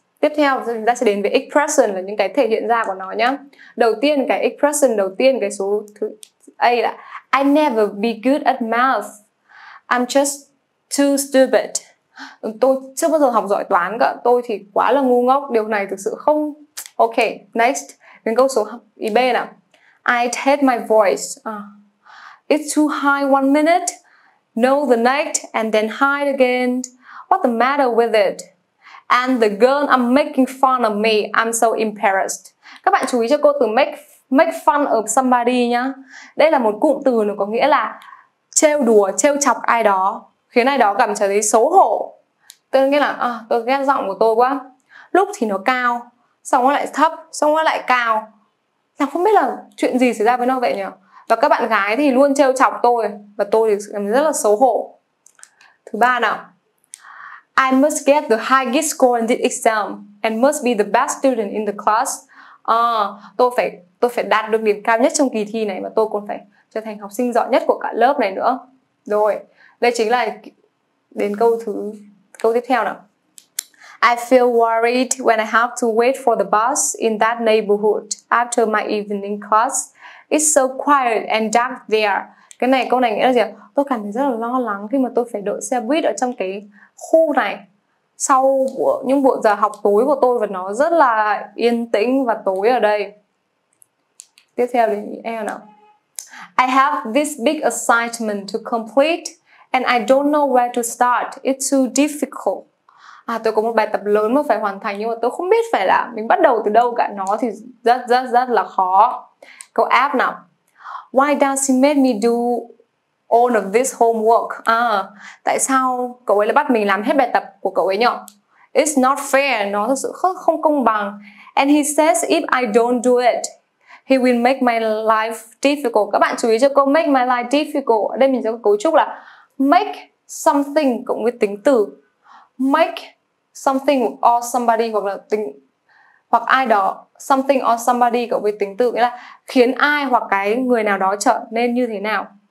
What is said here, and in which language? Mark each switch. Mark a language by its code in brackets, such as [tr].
[vi] Tiếp theo chúng ta sẽ đến với expression, là những cái thể hiện ra của nó nhé. Đầu tiên cái expression, đầu tiên cái số A là [en] I never be good at math, I'm just too stupid. [vi] Tôi chưa bao giờ học giỏi toán cả, tôi thì quá là ngu ngốc, điều này thực sự không. [en] Ok, next, [vi] đến câu số B nào. [en] I hate my voice, it's too high one minute, no the next and then high again. What's the matter with it? And the girl I'm making fun of me, I'm so embarrassed. [vi] Các bạn chú ý cho cô từ [en] make fun of somebody [vi] nhá. Đây là một cụm từ nó có nghĩa là trêu đùa, trêu chọc ai đó, khiến ai đó cảm thấy xấu hổ. Tức nghĩa là tôi ghét giọng của tôi quá. Lúc thì nó cao, xong nó lại thấp, xong nó lại cao. Chẳng không biết là chuyện gì xảy ra với nó vậy nhỉ? Và các bạn gái thì luôn trêu chọc tôi và tôi thì cảm thấy rất là xấu hổ. Thứ ba nào. [en] I must get the highest score in this exam and must be the best student in the class. [vi] Tôi phải đạt được điểm cao nhất trong kỳ thi này và tôi còn phải trở thành học sinh giỏi nhất của cả lớp này nữa. Rồi, đây chính là đến câu tiếp theo nào. [en] I feel worried when I have to wait for the bus in that neighborhood after my evening class. It's so quiet and dark there. [vi] Cái này câu này nghĩa là gì? Tôi cảm thấy rất là lo lắng khi mà tôi phải đợi xe buýt ở trong cái khu này sau những buổi giờ học tối của tôi và nó rất là yên tĩnh và tối ở đây. Tiếp theo đến E nào. [en] I have this big assignment to complete and I don't know where to start. It's too difficult. [vi] À, tôi có một bài tập lớn mà phải hoàn thành nhưng mà tôi không biết phải là mình bắt đầu từ đâu cả. Nó thì rất là khó. Câu F nào. [en] Why does he make me do all of this homework? [vi] À, tại sao cậu ấy lại bắt mình làm hết bài tập của cậu ấy nhỉ? [en] It's not fair. [vi] Nó thật sự không công bằng. [en] And he says if I don't do it, he will make my life difficult. [vi] Các bạn chú ý cho câu [en] make my life difficult. [vi] Ở đây mình sẽ có cấu trúc là [en] make something [vi] cộng với tính từ. [en] Make something or somebody [vi] hoặc là tính hoặc ai đó, [en] something or somebody [vi] cộng với tính từ nghĩa là khiến ai hoặc cái người nào đó trở nên như thế nào.